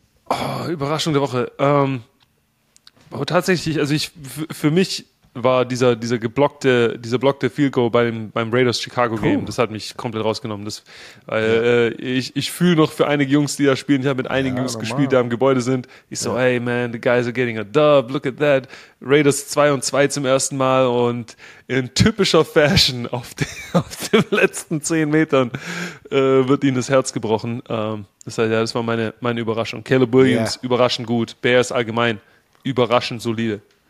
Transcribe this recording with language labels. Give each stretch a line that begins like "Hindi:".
German: Oh, Überraschung der Woche. Tatsächlich, also ich für mich war dieser geblockte Field Goal beim Raiders Chicago Game. Das hat mich komplett rausgenommen. Ich fühle noch für einige Jungs, die da spielen. Ich habe mit einigen Jungs gespielt, die da im Gebäude sind. Ich so,
English: hey man, the guys are getting a dub, look at that.
German: Raiders 2-2 zum ersten Mal und in typischer Fashion auf den letzten 10 Metern wird ihnen das Herz gebrochen. Das war meine Überraschung. Caleb Williams, überraschend gut. Bears allgemein, überraschend solide.